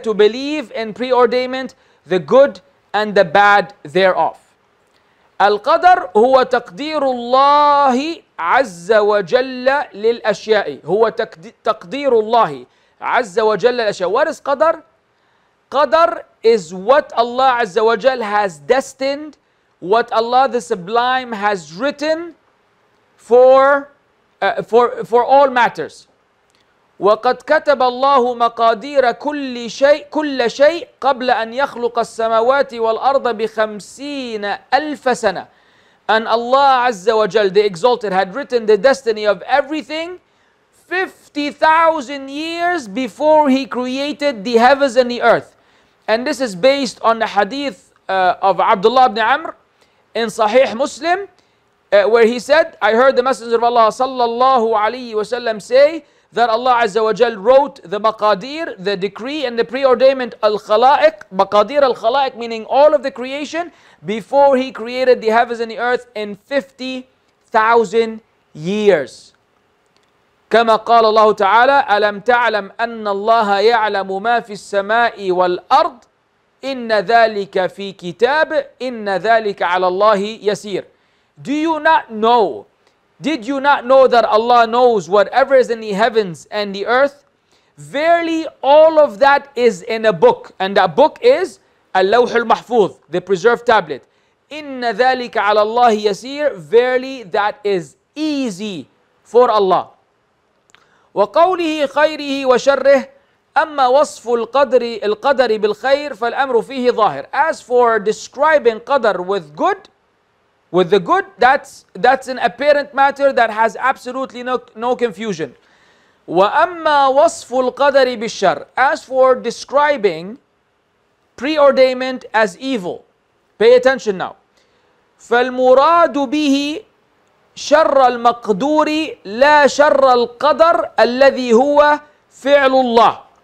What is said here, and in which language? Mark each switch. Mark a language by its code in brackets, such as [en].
[en] To believe in preordainment, the good and the bad thereof. [ar] القدر هو تقدير الله عز وجل للأشياء. هو تقدير الله عز وجل للأشياء. [en] What is قدر? قدر is what Allah عز وجل has destined, what Allah the Sublime has written for all matters. [ar] وَقَدْ كَتَبَ اللَّهُ مَقَادِيرَ كُلَّ شَيْءٍ قَبْلَ أَنْ يَخْلُقَ السَّمَوَاتِ وَالْأَرْضَ بِخَمْسِينَ أَلْفَ سَنَةٍ. [en] And Allah عز وجل, the Exalted, had written the destiny of everything 50,000 years before He created the heavens and the earth. And this is based on the hadith of Abdullah ibn Amr in Sahih Muslim, where he said, I heard the Messenger of Allah sallallahu alayhi wa sallam say that Allah Azza wa Jal wrote the maqadir, the decree and the preordainment al-khala'iq, maqadir al-khala'iq, meaning all of the creation, before He created the heavens and the earth in 50,000 years. [ar] كما قال الله تعالى ألم تعلم أن الله يعلم ما في السماء والأرض إن ذلك في كتاب إن ذلك على الله يسير. [en] Do you not know? Did you not know that Allah knows whatever is in the heavens and the earth? Verily, all of that is in a book, and that book is اللوح المحفوظ, the preserved tablet. [ar] إن ذلك على الله يسير. [en] Verily, that is easy for Allah. [ar] وقوله خيره وشره أما وصف القدر القدر بالخير فالأمر فيه ظاهر. [en] As for describing قدر with good, with the good, that's an apparent matter that has absolutely no confusion. [ar] وأما وصف القدر بالشر. [en] As for describing preordainment as evil, pay attention now. [ar] فالمراد به شر المقدور لا شر القدر الذي هو فعل الله.